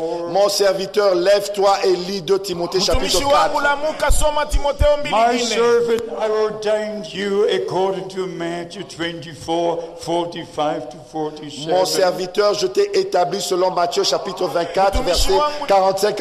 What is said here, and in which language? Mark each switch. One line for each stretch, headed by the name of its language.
French: Mon serviteur, lève-toi et lis 2 Timothée chapitre 4.
English: My servant, I ordained you according to Matthew 24, 45 to 47.
French: Mon serviteur, je t'ai établi selon Matthieu chapitre 24, verset 45